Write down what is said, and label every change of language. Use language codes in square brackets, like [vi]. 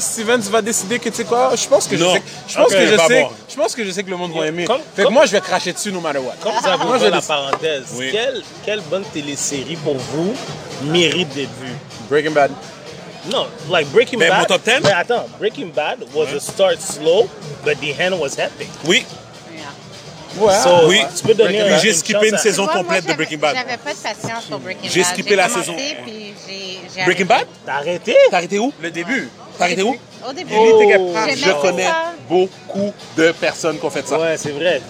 [fr] Stevens va décider que, tu sais quoi, je pense que je sais que le monde va aimer. Fait que moi, je vais cracher dessus [en] no matter what. [fr] Comme ça, vous la parenthèse. Quelle bonne télésérie pour vous mérite d'être vue? Breaking Bad. [en] No, like Breaking Bad. [fr] Mon top 10? Mais attends, [en] Breaking Bad was a start slow, but the end was happy. [fr] Oui. Ouais. So, oui, tu peux donner oui, j'ai skippé une saison vois, complète moi, de Breaking Bad. J'avais pas de patience pour Breaking Bad. J'ai skippé la saison. J'ai Breaking Bad? T'as arrêté? T'as arrêté où? Le début. T'as arrêté où? Au début. Oh, je connais beaucoup de personnes qui ont fait ça. Ouais, c'est vrai.